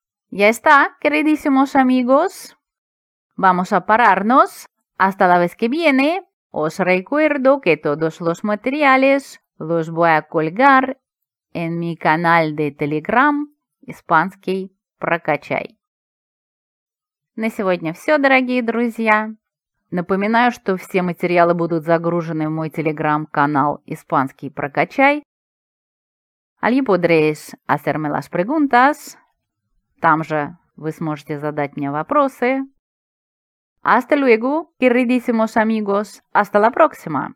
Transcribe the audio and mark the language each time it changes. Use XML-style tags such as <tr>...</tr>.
<es>Ya está, queridísimos amigos. Vamos a pararnos. Hasta la vez que viene. Os recuerdo que todos los materiales los voy a colgar en mi canal de Telegram.</es> <ru>Испанский прокачай. На сегодня все, дорогие друзья. Напоминаю, что все материалы будут загружены в мой телеграм-канал «Испанский прокачай».</ru> <es>Allí podréis hacerme las preguntas.</es> <ru>Там же вы сможете задать мне вопросы.</ru> <es>Hasta luego, queridísimos amigos. Hasta la próxima.</es>